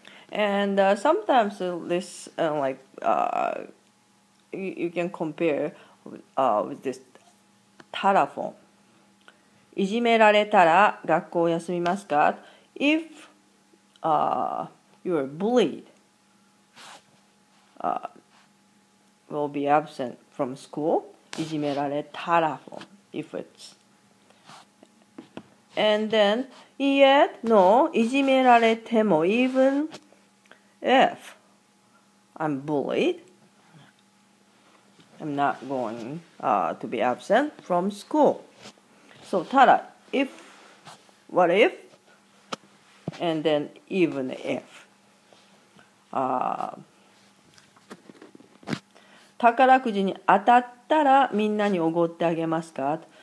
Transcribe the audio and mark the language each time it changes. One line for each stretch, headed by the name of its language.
English: And sometimes this, you can compare with this たら form.
Japanese: いじめられたら学校を休みますか?
English: If you are bullied, will be absent from school.
Japanese: いじめられたら form.
English: If it's And then, yet, no,
Japanese: いじめられても,
English: even if I'm bullied, I'm not going to be absent from school. So,
Japanese: ただ,
English: if, what if, and then even if.
Japanese: たからくじに当たったらみんなにおごってあげますか?